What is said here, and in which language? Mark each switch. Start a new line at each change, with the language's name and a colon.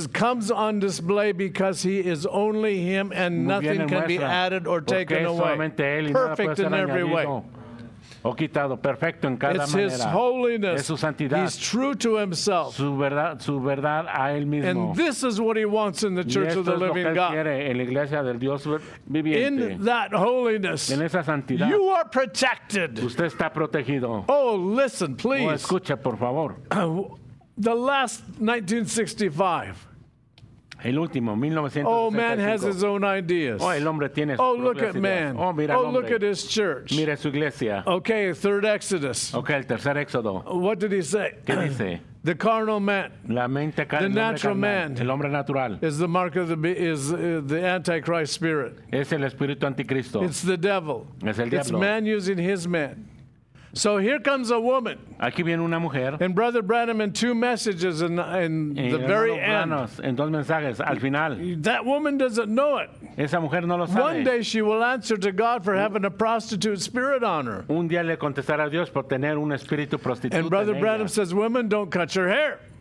English: comes on display because he is only him and nothing can be added or taken away.
Spanish: Él,
English: perfect in every way.
Spanish: O quitado, perfecto en cada
English: it's
Spanish: manera.
English: His holiness.
Spanish: Es su santidad.
English: He's true to himself.
Spanish: Su verdad a él mismo.
English: And this is what he wants in the church of the living God.
Spanish: Y esto es lo que él quiere en la iglesia del Dios viviente.
English: In that holiness.
Spanish: En esa santidad.
English: You are protected.
Spanish: Usted está protegido.
English: Oh, listen, please.
Spanish: O escucha, por favor.
English: The last 1965.
Spanish: El último, 1965.
English: Oh, man has his own ideas.
Spanish: Oh, el hombre tiene
English: oh look at
Spanish: ideas.
English: Man.
Spanish: Oh, mira oh hombre.
English: Look at his church.
Spanish: Mira su iglesia.
English: Okay, third Exodus.
Spanish: Okay, el tercer éxodo.
English: What did he say?
Spanish: ¿Qué dice?
English: The carnal man.
Spanish: La mente
English: the natural man.
Spanish: El hombre natural.
English: Is the mark of the Antichrist spirit.
Spanish: Es el espíritu anticristo.
English: It's the devil.
Spanish: Es el diablo.
English: It's man using his man. So here comes a woman.
Spanish: Aquí viene una mujer.
English: And Brother Branham in two messages in the very end.
Spanish: En dos mensajes, al final.
English: That woman doesn't know it.
Spanish: Esa mujer no lo sabe.
English: One day she will answer to God for having a prostitute spirit on her.
Spanish: Un día le contestará a Dios por tener un espíritu prostituta.
English: And Brother Branham says, women, don't cut your hair.